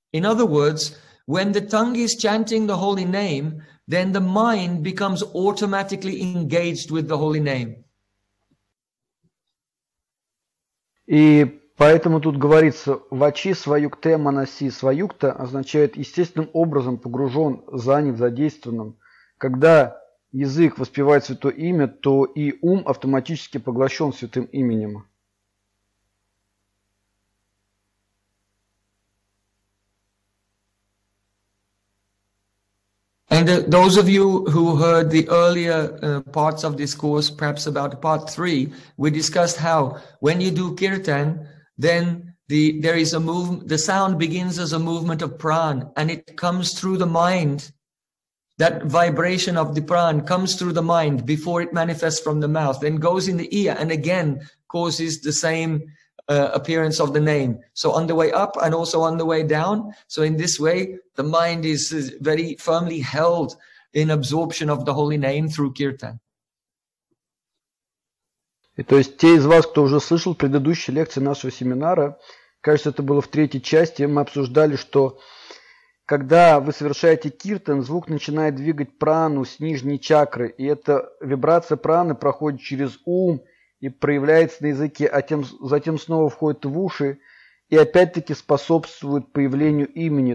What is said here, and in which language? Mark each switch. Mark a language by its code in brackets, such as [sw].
[en] In other words, when the tongue is chanting the holy name, then the mind becomes automatically engaged with the holy name. [ru] И поэтому тут говорится [sa] «вачи сваюкте манаси». [ru] «Сваюкта» означает естественным образом погружен, занят, задействованным. Когда язык воспевает святое имя, то и ум автоматически поглощен святым именем. [en] And those of you who heard the earlier parts of this course, perhaps about part 3, we discussed how when you do kirtan, then there is a movement, the sound begins as a movement of pran, and it comes through the mind. That vibration of the pran comes through the mind before it manifests from the mouth, then goes in the ear and again causes the same appearance of the name. So on the way up and also on the way down. So in this way, the mind is very firmly held in absorption of the holy name through kirtan. [ru] И то есть те из вас, кто уже слышал предыдущие лекции нашего семинара, Кажется, это было в третьей части. Мы обсуждали, что когда вы совершаете киртан, звук начинает двигать прану с нижней чакры. И эта вибрация праны проходит через ум и проявляется на языке, а затем снова входит в уши и опять-таки способствует появлению имени.